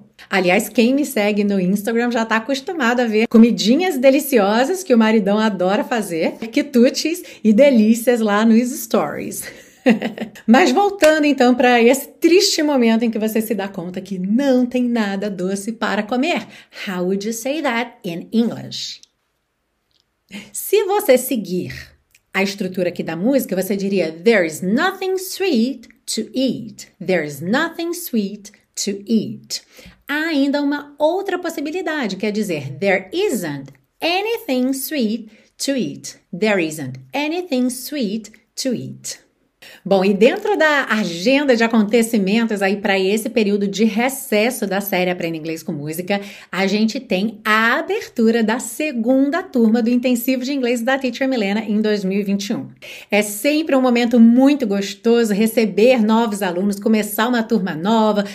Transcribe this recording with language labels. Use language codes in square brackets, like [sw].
[pt] Aliás, quem me segue no Instagram já está acostumado a ver comidinhas deliciosas que o maridão adora fazer, quitutes e delícias lá nos stories. Mas voltando então para esse triste momento em que você se dá conta que não tem nada doce para comer. [en] How would you say that in English? [pt] Se você seguir a estrutura aqui da música, você diria: [en] There is nothing sweet to eat. There is nothing sweet to eat. [pt] Há ainda uma outra possibilidade, quer dizer, [en] there isn't anything sweet to eat. There isn't anything sweet to eat. [pt] Bom, e dentro da agenda de acontecimentos aí para esse período de recesso da série Aprenda Inglês com Música, a gente tem a abertura da segunda turma do Intensivo de Inglês da Teacher Milena em 2021. É sempre um momento muito gostoso receber novos alunos, começar uma turma nova.